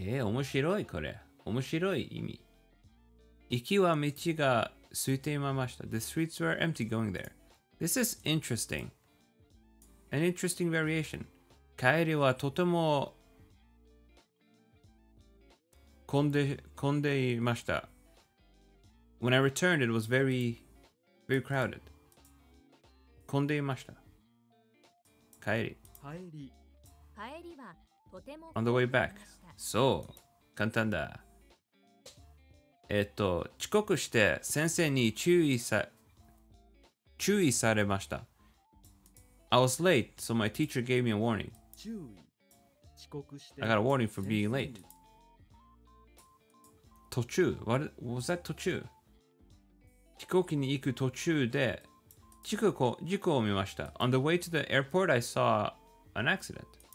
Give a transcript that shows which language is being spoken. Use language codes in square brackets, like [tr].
[ja] 面白いこれ。面白い意味。行きは道が空いていました。 [en] The streets were empty going there. This is interesting. An interesting variation. [ja] 帰りはとても混んでいました。 [en] When I returned, it was very, very crowded. [ja] 混んでいました。帰りはとても。 [en] On the way back. [ja] そう、簡単だ。遅刻して先生に注意されました。 [en] I was late, so my teacher gave me a warning. [ja] 注意。遅刻して。 [en] I got a warning for being late. 途中。What was that 途中？ [ja] 飛行機に行く途中で事故を見ました。 [en] On the way to the airport, I saw an accident.